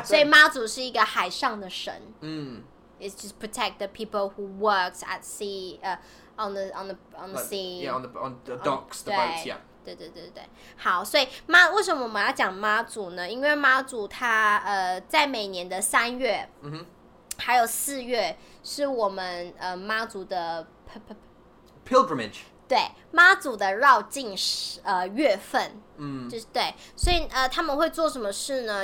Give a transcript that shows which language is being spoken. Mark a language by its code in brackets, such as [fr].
[zh] So, 妈祖是一个海上的神. [en] It's just protect the people who work at sea, on the like, sea, yeah, on the docks, the boats, yeah. [zh] 对对对对，好，所以妈为什么我们要讲妈祖呢？因为妈祖她在每年的三月，嗯哼，还有四月是我们妈祖的 [en] pilgrimage， [zh] 对，妈祖的绕境月份，就是对，所以他们会做什么事呢？